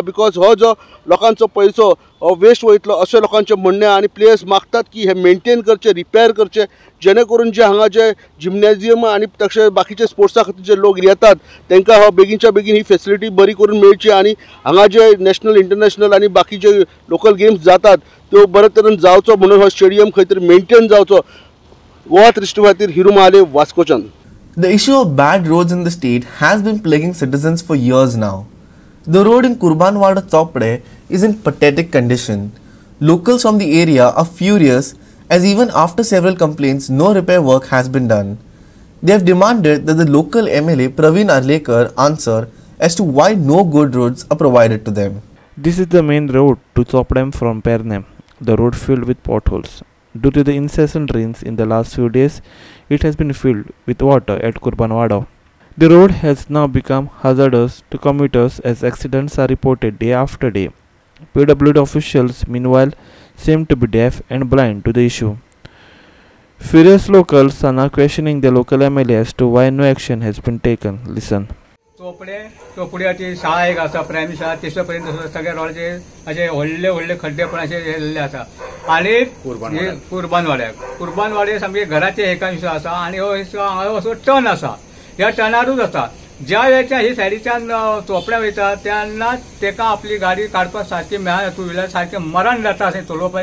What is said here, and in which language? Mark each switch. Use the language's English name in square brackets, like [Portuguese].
[Konkani] बिकॉज हो जो लोकांचो पैसो हो वेस्ट वयतलो अशें लोकांचे म्हणणें, आणि प्लेयर्स मागतात की हे मेंटेन करचे, रिपेअर करचे, जेणे करून जे हांगा जे जिमनेजियम आणि तसे बाकीचे स्पोर्ट्सा खातीर जे लोक येतात त्यांना हो बेगीनच्या बेगीन ही फेसिलिटी बरी करून मिळची, आणि हांगा जे नॅशनल इंटरनॅशनल आणि बाकीचे लोकल गेम्स जातात त्यो बऱ्या तरेन जावचो म्हणून हो स्टेडियम खंय तरी मेंटेन जावचो. गोवा दृष्टी खातीर हिरू महाले, वास्कोच्यान. [English] The issue of bad roads in the state has been plaguing citizens for years now. The road in Kurbanwada Chopde is in pathetic condition. Locals from the area are furious as even after several complaints, no repair work has been done. They have demanded that the local MLA Praveen Arlekar answer as to why no good roads are provided to them. This is the main road to Chopde from Pernem. The road filled with potholes. Due to the incessant rains in the last few days, it has been filled with water at Kurbanwada. The road has now become hazardous to commuters as accidents are reported day after day. PWD officials, meanwhile, seem to be deaf and blind to the issue. Furious locals are now questioning the local MLA as to why no action has been taken. Listen. [Konkani] Chopde, चोपड्याची शाळा एक असा प्रायमरी शाळा तिसऱ्या पर्यंत सगळ्या रोडचे असे व्हडले व्हडले खड्डेपणाचे झालेले असा. आणि कुर्बानवाड्याक सामके घराचे एका विषय असा. आणि असो टर्न असा, ह्या टर्नारूच असा. ज्या वेळेच्या ही सायडीच्यान चोपड्या वयता त्यांना तेका आपली गाडी काढपास सारखी मेळना, टू व्हिलर सारखे मरण जाता असे चलोवपाय.